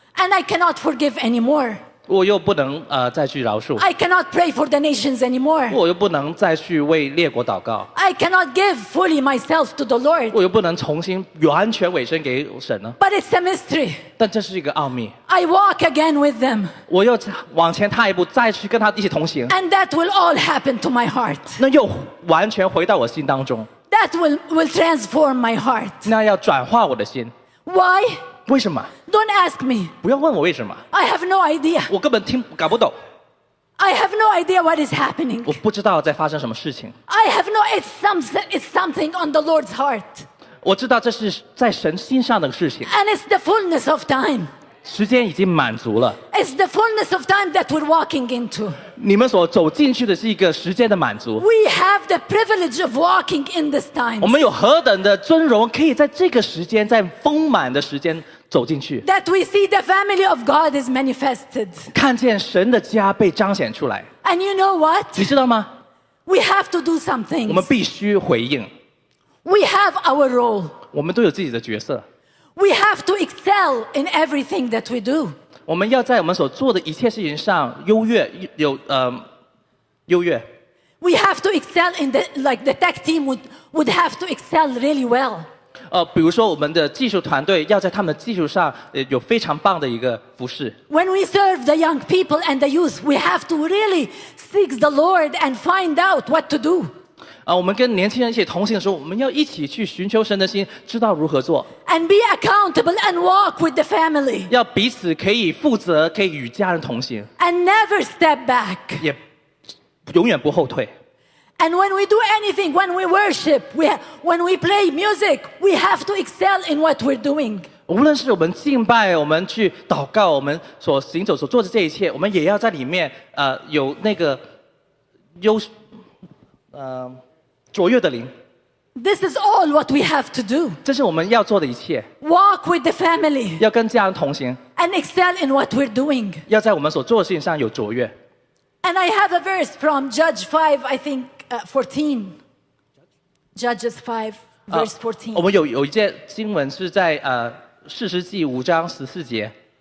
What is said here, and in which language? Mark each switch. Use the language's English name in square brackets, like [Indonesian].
[English] and I cannot forgive anymore, [Chinese] 我又不能再去饶恕， [English] I cannot pray for the nations anymore, [Chinese] 我又不能再去为列国祷告， [English] I cannot give fully myself to the Lord, [Chinese] 我又不能重新完全委身给神了， [English] but it's a mystery. [Chinese] 但这是一个奥秘。 [English] I walk again with them. [Chinese] 我又往前踏一步，再去跟他一起同行。 [English] And that will all happen to my heart. [Chinese] 那又完全回到我心当中。 [English] That will transform my heart. [Chinese] 那要转化我的心。 [English] Why? [Chinese] 为什么？ [English] Don't ask me. [Chinese] 不要问我为什么。 [English] I have no idea. [Chinese] 我根本听搞不懂。 [English] I have no idea what is happening. [Chinese] 我不知道在发生什么事情。 [English] I have no idea. It's something on the Lord's heart. [Chinese] 我知道这是在神心上的事情。 [English] And it's the fullness of time. [Chinese] 时间已经满足了。 [English] It's the fullness of time that we're walking into. [Chinese] 你们所走进去的是一个时间的满足。 [English] We have the privilege of walking in this time. [Chinese] 我们有何等的尊荣，可以在这个时间，在丰满的时间走进去。 [English] That we see the family of God is manifested. [Chinese] 看见神的家被彰显出来。 [English] And you know what? [Chinese] 你知道吗？ [English] We have to do something. [Chinese] 我们必须回应。 [English] We have our role. [Chinese] 我们都有自己的角色。 [English] We have to excel in everything that we do. [Chinese] 我们要在我们所做的一切事情上优越，优越。 [English] We have to excel in the, like the tech team would have to excel really well. [Chinese] 比如说我们的技术团队要在他们的技术上有非常棒的一个服事。 [English] When we serve the young people and the youth, we have to really seek the Lord and find out what to do. [Chinese] 我们跟年轻人一起同行的时候，我们要一起去寻求神的心，知道如何做。 [English] And be accountable and walk with the family. [Chinese] 要彼此可以负责，可以与家人同行。 [English] And never step back. [Chinese] 也永远不后退。 [English] And when we do anything, when we worship, when we play music, we have to excel in what we're doing. [Chinese] 无论是我们敬拜，我们去祷告，我们所行走所做的这一切，我们也要在里面有那个优。卓越的灵。 [English] This is all what we have to do. [Chinese] 这是我们要做的一切。 [English] Walk with the family. [Chinese] 要跟家人同行。 [English] And excel in what we're doing. [Chinese] 要在我们所做的事情上有卓越。 [English] And I have a verse from Judge 5, I think, 14. Judges 5, verse 14. [Chinese] 我们有一节经文是在 士师记5章14节。